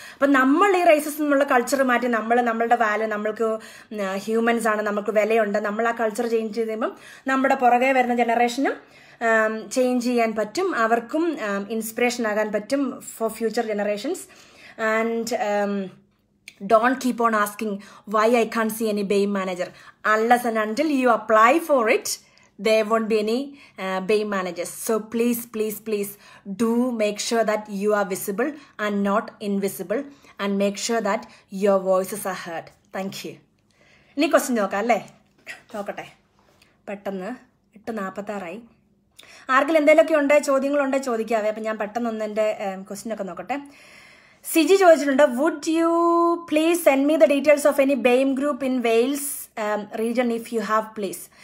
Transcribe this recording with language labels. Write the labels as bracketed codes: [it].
[ml] അപ്പം നമ്മൾ ഈ റേസിസം എന്നുള്ള കൾച്ചർ മാറ്റി നമ്മൾ നമ്മളുടെ വാല്യൂ, നമ്മൾക്ക് ഹ്യൂമൻസ് ആണ്, നമുക്ക് വിലയുണ്ട്, നമ്മൾ ആ കൾച്ചർ ചേഞ്ച് ചെയ്യുമ്പം നമ്മുടെ പുറകെ വരുന്ന ജനറേഷനും ചേഞ്ച് ചെയ്യാൻ പറ്റും, അവർക്കും ഇൻസ്പിറേഷൻ ആകാൻ പറ്റും [en] For future generations. [ml] And [en] Don't keep on asking why I can't see any BAME manager. Unless and until you apply for it, there won't be any BAME managers. So please do make sure that you are visible and not invisible, and make sure that your voices are heard. [ml] Thank you. ഇനി question നോക്കാം അല്ലേ? നോക്കട്ടെ പെട്ടെന്ന്. 8:46 ആർക്കെങ്കിലും എന്തെങ്കിലുമൊക്കെ ഉണ്ടോ, ചോദ്യങ്ങളുണ്ടോ ചോദിക്കാവേ. അപ്പം ഞാൻ പെട്ടെന്ന് ഒന്ന് എൻ്റെ ക്വസ്റ്റ്യനൊക്കെ നോക്കട്ടെ. സിജി ചോദിച്ചിട്ടുണ്ട്, [en] Would you please send me the details of any BAME group in Wales region if you have please.